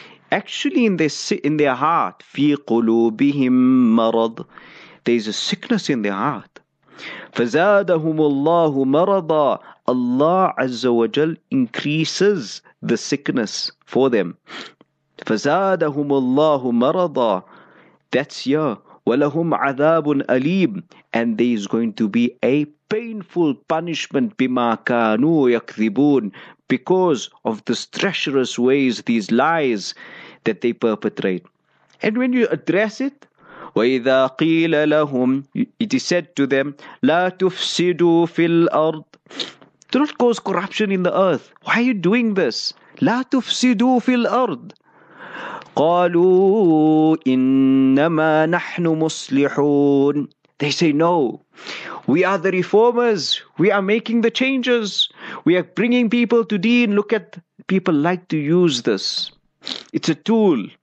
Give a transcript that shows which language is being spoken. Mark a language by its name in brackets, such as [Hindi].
[English] Actually, in their heart, [Arabic] فِي قُلُوبِهِمْ مَرَضٌ [English] There is a sickness in their heart. [Arabic] فَزَادَهُمُ اللَّهُ مَرَضًا [English] Allah Azza wa Jal increases the sickness for them. [Arabic] فَزَادَهُمُ اللَّهُ مَرَضًا [English] That's here. [Arabic] وَلَهُمْ عَذَابٌ أَلِيمٌ [English] And there is going to be a painful punishment [Arabic] بِمَا كَانُوا يَكْذِبُونَ [English] Because of the treacherous ways, these lies that they perpetrate. And when you address it, [Arabic] وَإِذَا قِيلَ لَهُمْ [English] It is said to them, [Arabic] لَا تُفْسِدُوا فِي الْأَرْضِ [English] Do not cause corruption in the earth. Why are you doing this? [Arabic] لَا تُفْسِدُوا فِي الْأَرْضِ قَالُوا إِنَّمَا نَحْنُ مُصْلِحُونَ [English] They say, no, we are the reformers. We are making the changes. We are bringing people to deen. Look at, people like to use this. It's a tool.